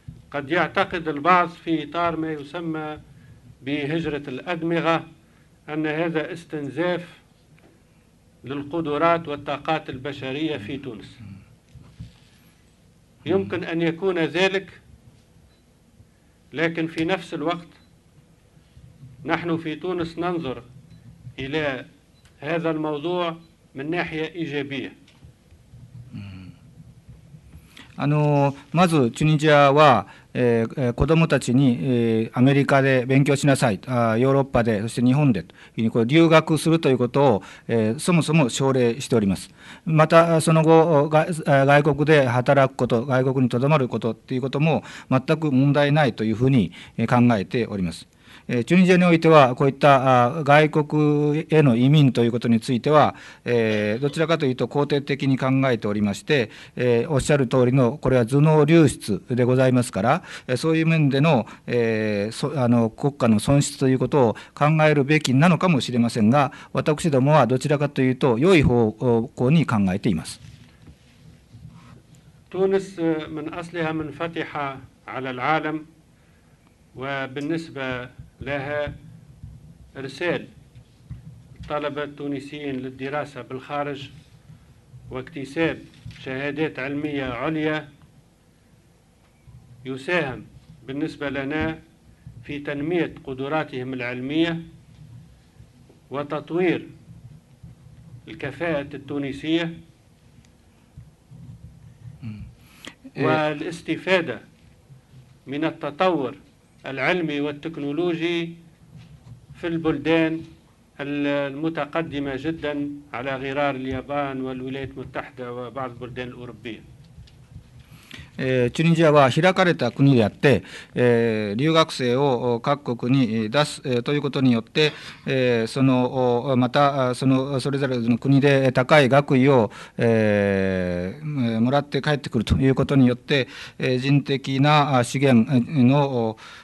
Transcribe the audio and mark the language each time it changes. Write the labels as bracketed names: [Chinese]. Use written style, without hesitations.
[Arabic] قد يعتقد البعض في إطار ما يسمى بهجرة الأدمغة أن هذا استنزاف للقدرات والطاقات البشرية في تونس، يمكن أن يكون ذلك، لكن في نفس الوقت نحن في تونس ننظر إلى هذا الموضوع من ناحية إيجابية。 [Japanese] まずチュニジアは、子どもたちに、アメリカで勉強しなさい、ヨーロッパで、そして日本でというふうにこれ留学するということを、そもそも奨励しております。またその後外国で働くこと、外国にとどまることということも全く問題ないというふうに考えております。チュニジアにおいてはこういった外国への移民ということについてはどちらかというと肯定的に考えておりまして、おっしゃる通りのこれは頭脳流出でございますから、そういう面での国家の損失ということを考えるべきなのかもしれませんが、私どもはどちらかというと良い方向に考えています。トゥニスマンアスリハマンファティハアラルアラム、 [Arabic] وبالنسبة لها إرسال طلبة تونسيين للدراسة بالخارج واكتساب شهادات علمية عليا يساهم بالنسبة لنا في تنمية قدراتهم العلمية وتطوير الكفاءة التونسية والاستفادة من التطور العلمي والتكنولوجي في البلدان المتقدمة جدا على غرار اليابان والولايات المتحدة وبعض البلدان الأوروبية。 [Japanese] チュニジアは開かれた国であって、留学生を各国に出すということによって、そのまたそのそれぞれの国で高い学位を、もらって帰ってくるということによって、人的な資源の、